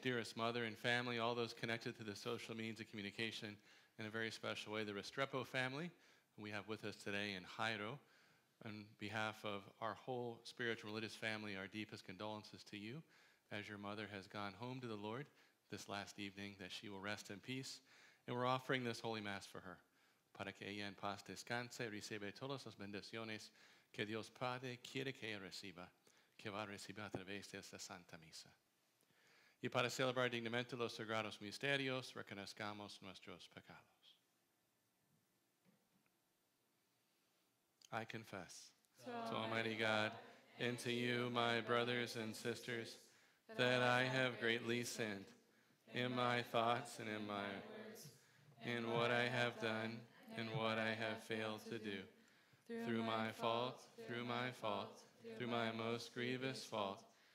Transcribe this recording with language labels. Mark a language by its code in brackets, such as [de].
[en] Dearest mother and family, all those connected to the social means of communication, in a very special way, the Restrepo family, we have with us today in Jairo. On behalf of our whole spiritual religious family, our deepest condolences to you, as your mother has gone home to the Lord this last evening, that she will rest in peace. And we're offering this Holy Mass for her. [es] Para que ella en paz descanse, recibe todas las bendiciones que Dios Padre quiere que ella reciba, que va a recibir a través de esta Santa Misa. Y para celebrar dignamente los sagrados misterios, reconozcamos nuestros pecados. [en] I confess to Almighty God and to you, my brothers and sisters, that I have greatly sinned in my thoughts and in my words, in what I have done, and what I have failed to do, through my most grievous fault.